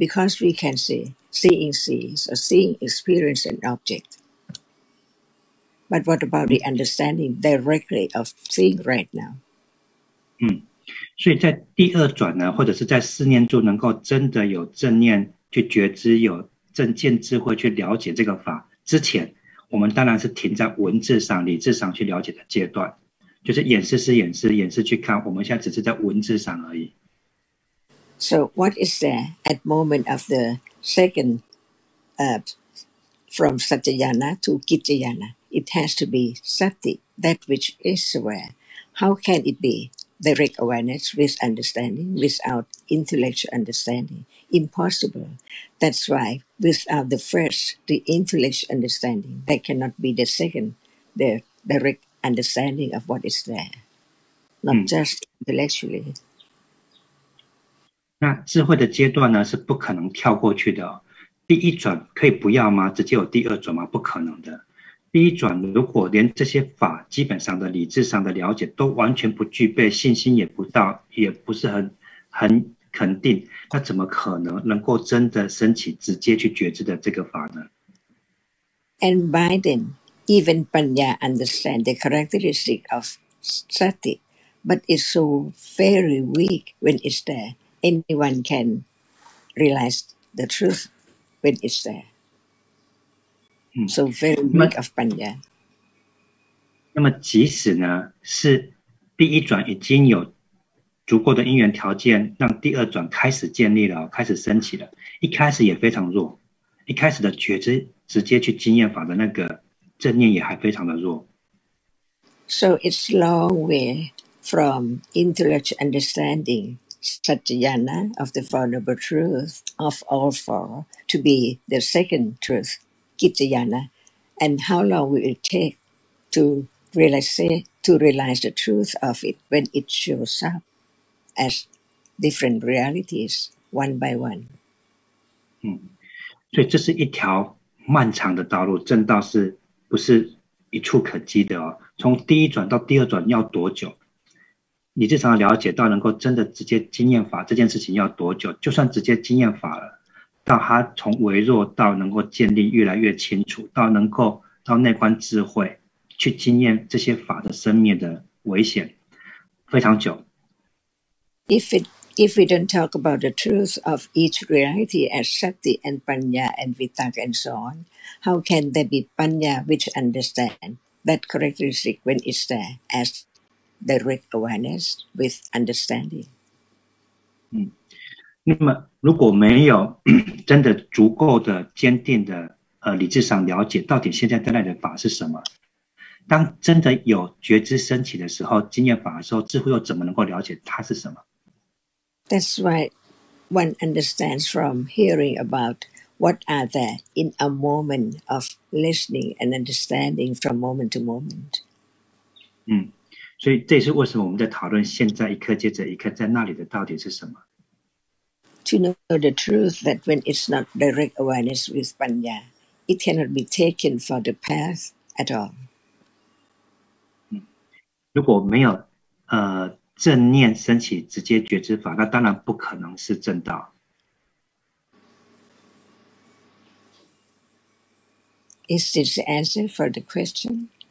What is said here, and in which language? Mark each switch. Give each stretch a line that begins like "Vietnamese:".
English: Because we can see, seeing sees, or seeing experience an object. But what about the understanding directly of seeing right now?
Chinese: 所以在第二转呢，或者是在四念住能够真的有正念去觉知，有正见智慧去了解这个法之前，我们当然是停在文字上、理智上去了解的阶段，就是演示是演示，演示去看，我们现在只是在文字上而已。
English: So what is there at moment of the second, from Satyayana to Kichayana? It has to be Sati, that which is aware. How can it be? Direct awareness with understanding, without intellectual understanding, impossible. That's why without the first, the intellectual understanding, there cannot be the second, the direct understanding of what is there. Not just intellectually.
Chinese: 那智慧的阶段呢，是不可能跳过去的、哦。第一转可以不要吗？直接有第二转吗？不可能的。第一转如果连这些法基本上的理智上的了解都完全不具备，信心也不到，也不是 很肯定，那怎么可能能够真的升起直接去觉知的这个法呢？
English: And by then, even Panya understand the characteristic of Sati, but it's so very weak when it's there. Anyone can realize the truth when it's there. So very weak of Panya.
Chinese: 那么即使呢是第一转已经有足够的因缘条件让第二转开始建立了，开始升起了，一开始也非常弱，一开始的觉知直接去经验法的那个正念也还非常的弱。
English: So it's long way from intellectual understanding Satyayana of the Four Noble Truths of all four to be the second truthKichayana, and how long will it take to realize the truth of it when it shows up as different realities one by one?
Chinese: 所以这是一条漫长的道路，正道是不是一触可及的哦？从第一转到第二转要多久？你日常了解到能够真的直接经验法这件事情要多久？就算直接经验法了。到他从微弱到能够建立越来越清楚，到能够到内观智慧，去经验这些法的生灭的危险，非常久。
English: If we don't talk about the truth of each reality as Sati and Panya and Vitaka and so on, how can there be Panya which understand that characteristic when it's there as direct awareness with understanding?
Chinese: 那么如果没有真的足够的坚定的理智上了解到底现在在那里的法是什么，当真的有觉知升起的时候，经验法的时候，智慧又怎么能够了解它是什么？
English: That's why one understands from hearing about what are there in a moment of listening and understanding from moment to moment.
Chinese: 所以这也是为什么我们在讨论现在一刻接着一刻在那里的到底是什么。
English: To know the truth that when it's not direct awareness with Panya, it cannot be taken for the path at all.
Chinese: 如果没有正念升起直接觉知法，那当然不可能是正道。
English: Is this the answer for the question?